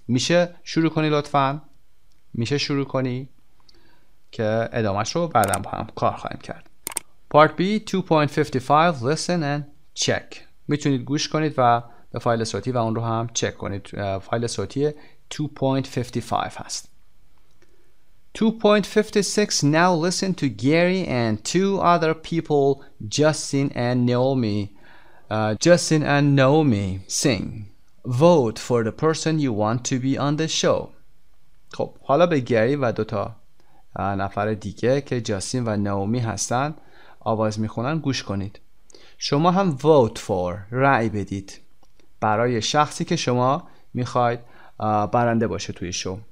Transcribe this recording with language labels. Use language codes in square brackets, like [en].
[fa] میشه شروع کنی لطفاً؟ میشه شروع کنی؟ که ادامهش رو بعدم با هم کار خواهیم کرد. [en] Part B 2.55 Listen and check. [fa] میتونید گوش کنید و به فایل صوتی و اون رو هم چک کنید. فایل صوتی 2.55 هست. [en] 2.56 Now listen to Gary and two other people, Justin and Naomi. Justin and Naomi sing. Vote for the person you want to be on the show. [fa] خب حالا به گری و دوتا نفر دیگه که جاستین و نائومی هستن آواز میخونن گوش کنید. شما هم [en] vote for [fa] رأی بدید برای شخصی که شما میخواید برنده باشه توی شو.